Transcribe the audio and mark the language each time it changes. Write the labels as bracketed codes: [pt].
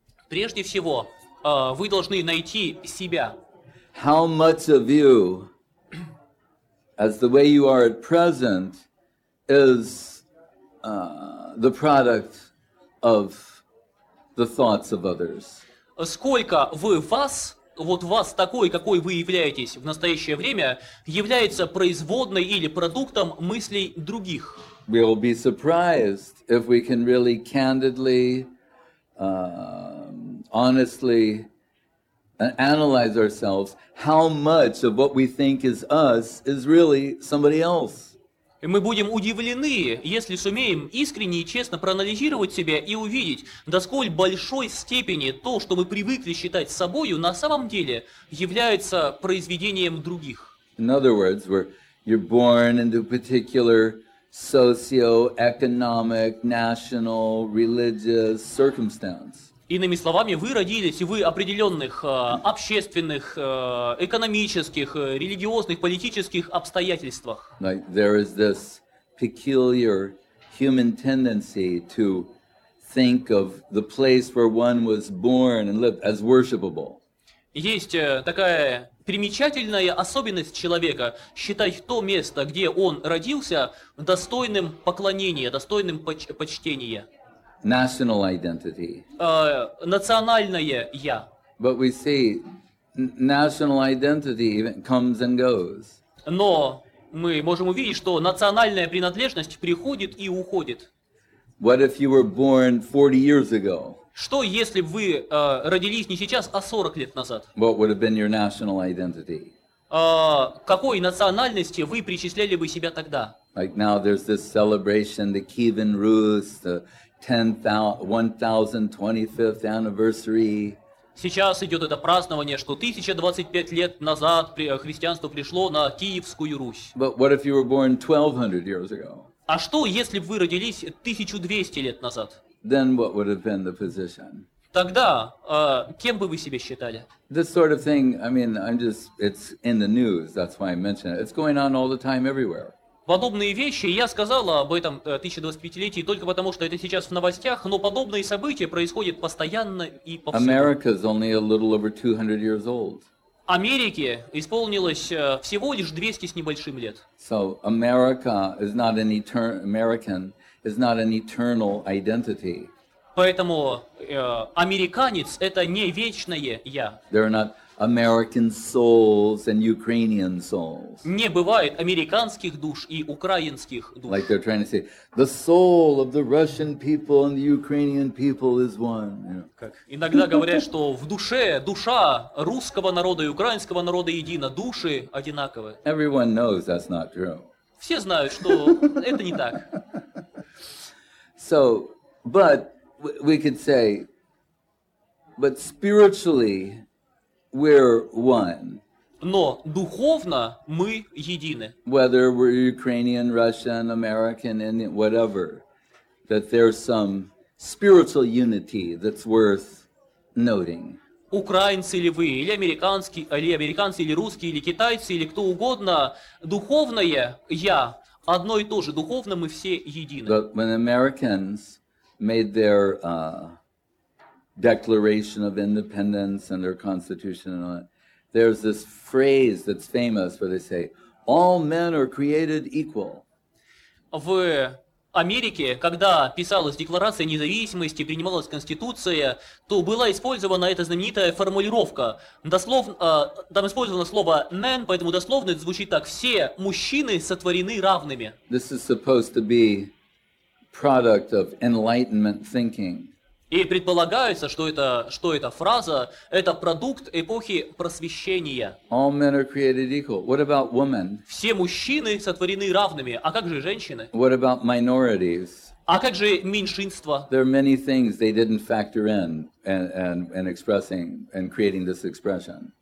[ru] Прежде всего, вы должны найти себя. [en] How much of you, as the way you are at present, is the product of the thoughts of others? [ru] Сколько вы вас, вот вас такой, какой вы являетесь в настоящее время, является производной или продуктом мыслей других? [en] We'll be surprised if we can really candidly, honestly analyze ourselves, how much of what we think is us is really somebody else. [ru] Мы будем удивлены, если сумеем искренне и честно проанализировать себя и увидеть, до сколь большой степени то, что мы привыкли считать собою, на самом деле является произведением других. [en] In other words, you're born into a particular socio-economic, national, religious circumstance. [ru] Иными словами, вы родились, вы определенных общественных, экономических, религиозных, политических обстоятельствах. [en] Like there is this peculiar human tendency to think of the place where one was born and lived as worshipable. [ru] Есть такая примечательная особенность человека считать то место, где он родился, достойным поклонения, достойным почтения. [en] National identity. [ru] Национальное я. [en] But we see national identity comes and goes. [ru] Но мы можем увидеть, что национальная принадлежность приходит и уходит. [en] What if you were born 40 years ago? [ru] Что если бы вы родились не сейчас, а 40 лет назад? [en] What would have been your national identity? [ru] Какой национальности вы причисляли бы себя тогда? [en] Like now there's this celebration, the Kievan Rus, the 1025th anniversary. [ru] Сейчас идет это празднование, что 1025 лет назад христианство пришло на Киевскую Русь. [en] But what if you were born 1200 years ago? [ru] А что, если бы вы родились 1200 лет назад? [en] Then what would have been the position? [ru] Тогда кем бы вы себя считали? [en] This sort of thing, I mean, it's in the news, that's why I mention it. It's going on all the time everywhere. [ru] Подобные вещи, я сказал об этом 1025-летии только потому, что это сейчас в новостях, но подобные события происходят постоянно и повсюду. [en] America's only a little over 200 years old. [ru] Америке исполнилось всего лишь 200 с небольшим лет. [en] So America is not an American is not an eternal identity. [ru] Поэтому американец — это не вечное я. [en] They're not American souls and Ukrainian souls. [ru] Не бывает американских душ и украинских душ. [en] Like they're trying to say, the soul of the Russian people and the Ukrainian people is one. [ru] Как иногда говорят, что в душе душа русского народа и украинского народа едина, души одинаковы. [en] Everyone knows that's not true. [ru] Все знают, что это не так. [en] So, but we could say, but spiritually, we're one. [ru] Но духовно мы едины. [en] Whether we're Ukrainian, Russian, American, Indian, whatever, that there's some spiritual unity that's worth noting. [ru] Украинцы ли вы, или американские, или американцы, или русские, или китайцы, или кто угодно, духовное я одно и то же. Духовно мы все едины. [en] But when Americans made their Declaration of Independence and their Constitution and all that, there's this phrase that's famous where they say, all men are created equal. [ru] В Америке, когда писалась Декларация независимости, принималась Конституция, то была использована эта знаменитая формулировка. Там использовано слово men, поэтому дословно это звучит так. Все мужчины сотворены равными. [en] This is supposed to be product of enlightenment thinking. [ru] И предполагается, что эта фраза – это продукт эпохи просвещения. [en] All men are created equal. What about women? [ru] Все мужчины сотворены равными. А как же женщины? [en] What about minorities? [ru] А как же меньшинства? [en] There are many things they didn't factor in and expressing and creating this expression.